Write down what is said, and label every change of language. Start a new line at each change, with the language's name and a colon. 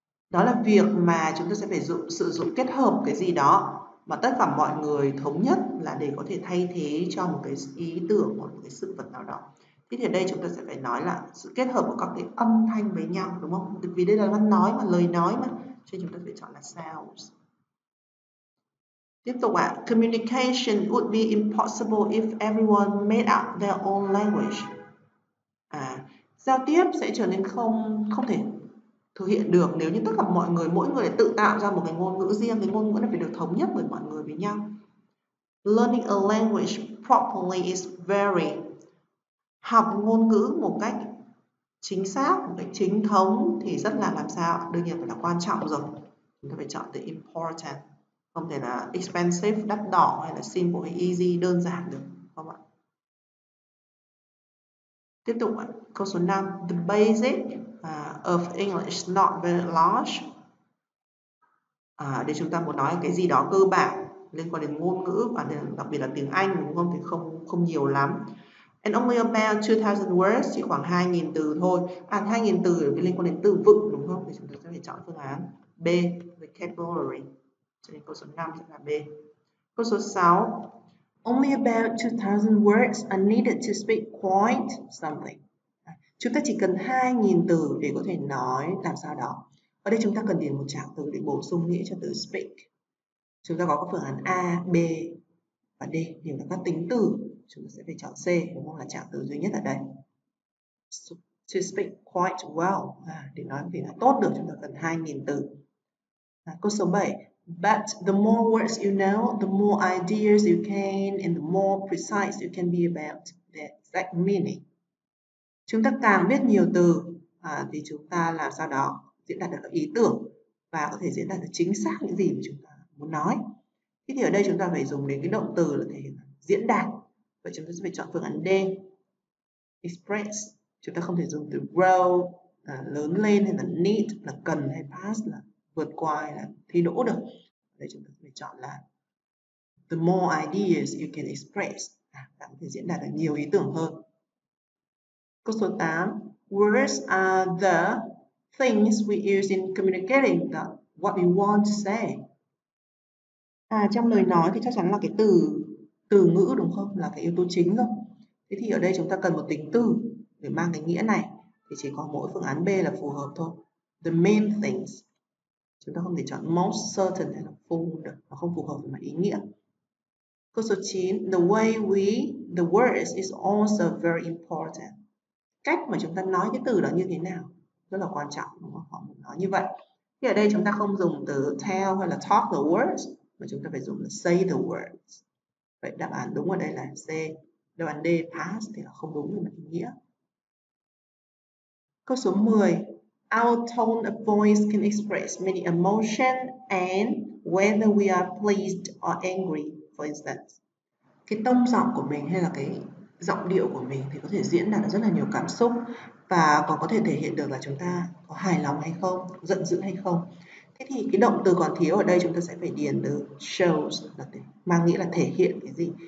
Vietnamese: Đó là việc mà chúng ta sẽ phải sử dụng kết hợp cái gì đó mà tất cả mọi người thống nhất là để có thể thay thế cho một cái ý tưởng, một cái sự vật nào đó. Thế thì ở đây chúng ta sẽ phải nói là sự kết hợp của các cái âm thanh với nhau, đúng không? Vì đây là văn nói mà, lời nói mà, cho nên chúng ta phải chọn là sounds. Tiếp tục ạ,
English: communication would be impossible if everyone made up their own language.
Vietnamese: À, giao tiếp sẽ trở nên không thể thực hiện được nếu như tất cả mọi người, mỗi người tự tạo ra một cái ngôn ngữ riêng, cái ngôn ngữ này phải được thống nhất bởi mọi người với nhau.
English: Learning a language properly is very.
Vietnamese: Học ngôn ngữ một cách chính xác, một cách chính thống thì rất là làm sao, đương nhiên phải là quan trọng rồi. Chúng ta phải chọn từ important. Không thể là expensive, đắt đỏ hay là simple hay easy, đơn giản được, không ạ? Tiếp tục ạ, câu số 5.
English: The basic of English not very large.
Vietnamese: Đây chúng ta muốn nói cái gì đó cơ bản liên quan đến ngôn ngữ và đặc biệt là tiếng Anh, đúng không? Thì không nhiều lắm.
English: And only about 2,000 words,
Vietnamese: chỉ khoảng 2,000 từ thôi. À, 2,000 từ liên quan đến từ vựng, đúng không? Thì chúng ta sẽ phải chọn phương án B, vocabulary. Câu số 5 sẽ là B. Câu số 6.
English: Only about 2,000 words are needed to speak quite something.
Vietnamese: Chúng ta chỉ cần 2,000 từ để có thể nói làm sao đó. Ở đây chúng ta cần điền một trạng từ để bổ sung nghĩa cho từ speak. Chúng ta có các phương án A, B và D. Điều là các tính từ. Chúng ta sẽ phải chọn C, đúng không? Là trạng từ duy nhất ở đây.
English: To speak quite well.
Vietnamese: Để nói thì là tốt được, chúng ta cần 2,000 từ. Câu số 7.
English: But the more words you know, the more ideas you can, and the more precise you can be about the exact meaning.
Vietnamese: Chúng ta càng biết nhiều từ thì chúng ta làm sao đó diễn đạt được ý tưởng và có thể diễn đạt được chính xác những gì mà chúng ta muốn nói. Thế thì ở đây chúng ta phải dùng đến cái động từ là thể diễn đạt. Vậy chúng ta sẽ phải chọn phương án D. Express. Chúng ta không thể dùng từ grow, lớn lên, hay là need, là cần, hay pass, là vượt qua, hay là thi đỗ được. Đây chúng ta phải chọn là
English: the more ideas you can express.
Vietnamese: Bạn có thể diễn đạt được nhiều ý tưởng hơn. Câu số 8.
English: Words are the things we use in communicating what we want to say.
Vietnamese: À, trong lời nói thì chắc chắn là cái từ ngữ đúng không? Là cái yếu tố chính rồi. Thế thì ở đây chúng ta cần một tính từ để mang cái nghĩa này. thì chỉ có mỗi phương án B là phù hợp thôi.
English: The main things.
Vietnamese: Chúng ta không thể chọn most certain hay là full được, nó không phù hợp với mặt ý nghĩa. Câu số 9,
English: the way we, the words is also very important.
Vietnamese: Cách mà chúng ta nói cái từ đó như thế nào rất là quan trọng, đúng không? Họ nói như vậy. Thì ở đây chúng ta không dùng từ tell hay là talk the words, mà chúng ta phải dùng là say the words. Vậy đáp án đúng ở đây là C. Đáp án D, pass, thì là không đúng về mặt ý nghĩa. Câu số 10,
English: our tone of voice can express many emotions and whether we are pleased or angry, for instance.
Vietnamese: Cái tông giọng của mình hay là cái giọng điệu của mình thì có thể diễn đạt rất là nhiều cảm xúc và còn có thể thể hiện được là chúng ta có hài lòng hay không, giận dữ hay không. Thế thì cái động từ còn thiếu ở đây chúng ta sẽ phải điền từ shows, là mang nghĩa là thể hiện cái gì.